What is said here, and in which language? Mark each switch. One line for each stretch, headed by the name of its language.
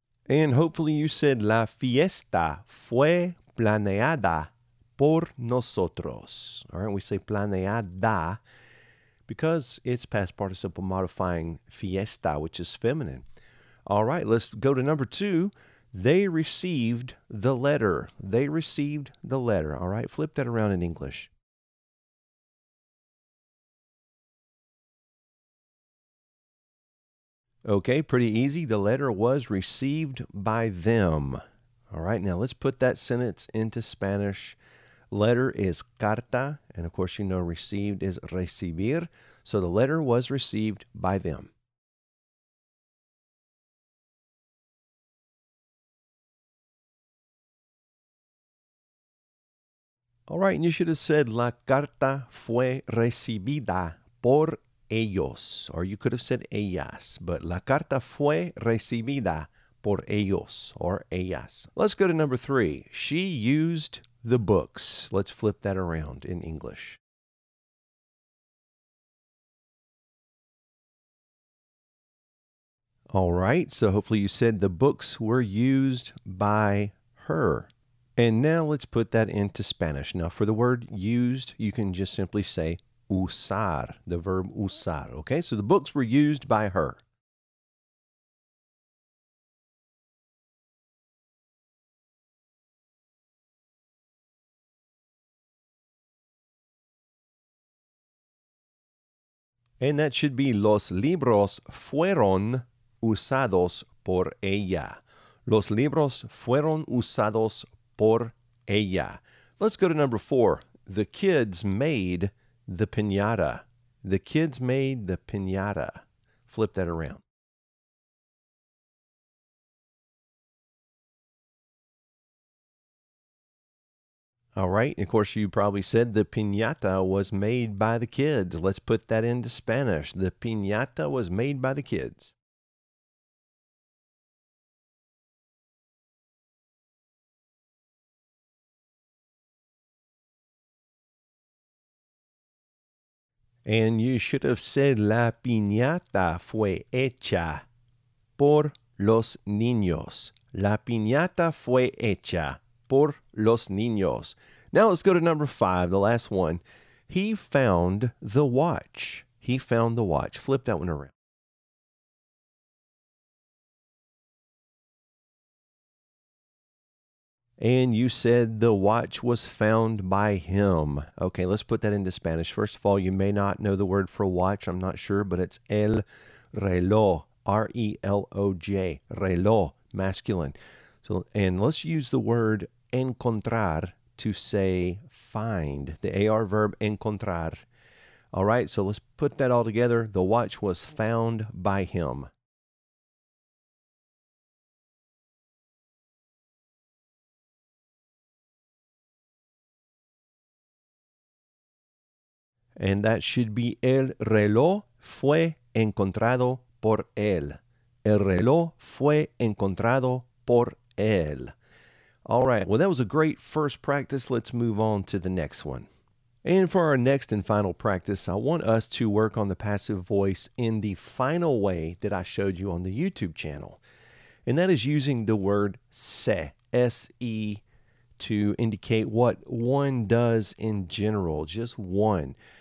English: And hopefully you said,
Spanish: la fiesta fue planeada por nosotros.
English: All right, we say planeada because it's past participle modifying fiesta, which is feminine. All right, let's go to number two. They received the letter. They received the letter. All right, flip that around in English. Okay, pretty easy. The letter was received by them. All right, now let's put that sentence into Spanish. Letter is carta, and of course you know received is recibir. So the letter was received by them. All right, and you should have said
Spanish: la carta fue recibida por ellos,
English: or you could have said ellas, but
Spanish: la carta fue recibida por ellos
English: or ellas. Let's go to number three. She used the books. Let's flip that around in English. All right, so hopefully you said the books were used by her. And now let's put that into Spanish. Now for the word used, you can just simply say usar, the verb usar. Okay, so the books were used by her. And that should be
Spanish: los libros fueron usados por ella. Los libros fueron usados por ella.
English: Let's go to number four. The kids made the piñata. The kids made the piñata. Flip that around. All right. Of course, you probably said the piñata was made by the kids. Let's put that into Spanish. The piñata was made by the kids. And you should have said
Spanish: la piñata fue hecha por los niños. La piñata fue hecha por los niños.
English: Now let's go to number five, the last one. He found the watch. He found the watch. Flip that one around. And you said the watch was found by him. Okay, let's put that into Spanish. First of all, you may not know the word for watch. I'm not sure, but it's el reloj, R-E-L-O-J, reloj, masculine. So, and let's use the word encontrar to say find, the AR verb encontrar. All right, so let's put that all together. The watch was found by him. And that should be
Spanish: el reloj fue encontrado por él. El reloj fue encontrado por él.
English: All right. Well, that was a great first practice. Let's move on to the next one. And for our next and final practice, I want us to work on the passive voice in the final way that I showed you on the YouTube channel. And that is using the word se, S-E, to indicate what one does in general, just one.